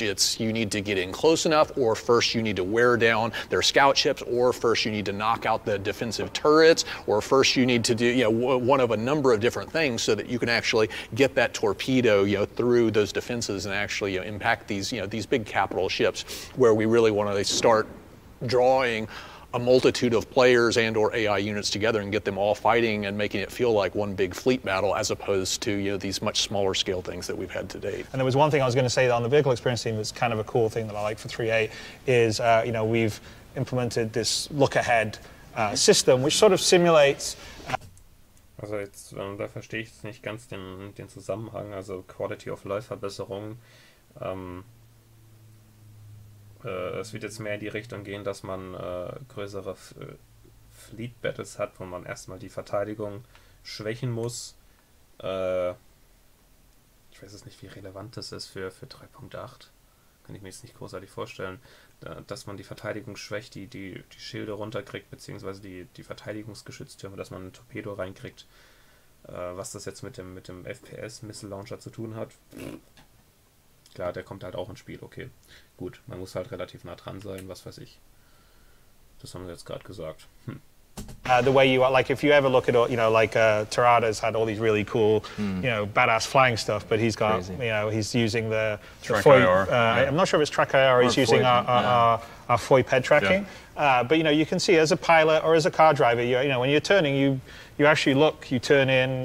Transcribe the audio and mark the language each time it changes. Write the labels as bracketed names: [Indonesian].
[English] It's you need to get in close enough, or first you need to wear down their scout ships, or first you need to knock out the defensive turrets, or first you need to do, you know, one of a number of different things so that you can actually get that torpedo, you know, through those defenses and actually, you know, impact these, you know, these big capital ships, where we really want to start drawing a multitude of players and or AI units together and get them all fighting and making it feel like one big fleet battle, as opposed to, you know, these much smaller scale things that we've had to date. And there was one thing I was going to say on the vehicle experience team that's kind of a cool thing that I like for 3.8 is, you know, we've implemented this look ahead system, which sort of simulates. [German] Also jetzt, da verstehe ich nicht ganz den Zusammenhang, also Quality of Life Verbesserung. Es wird jetzt mehr in die Richtung gehen, dass man größere Fleet Battles hat, wo man erstmal die Verteidigung schwächen muss. Ich weiß jetzt nicht, wie relevant das ist für 3.8. Kann ich mir jetzt nicht großartig vorstellen. Dass man die Verteidigung schwächt, die Schilde runterkriegt, beziehungsweise die Verteidigungsgeschütztürme, dass man ein Torpedo reinkriegt. Was das jetzt mit dem FPS Missile Launcher zu tun hat. Klar, der kommt halt auch ins Spiel, okay. Gut, man muss halt relativ nah dran sein, was weiß ich. Das haben sie jetzt gerade gesagt. [English] The way you are, like, if you ever look at, you know, like, Torada's had all these really cool, you know, badass flying stuff, but he's got, crazy. You know, he's using the Foy, I'm not sure if it's Track IR, he's using our Foy PED tracking. Yeah. But, you know, you can see as a pilot or as a car driver, you know, when you're turning, you actually look, you turn in.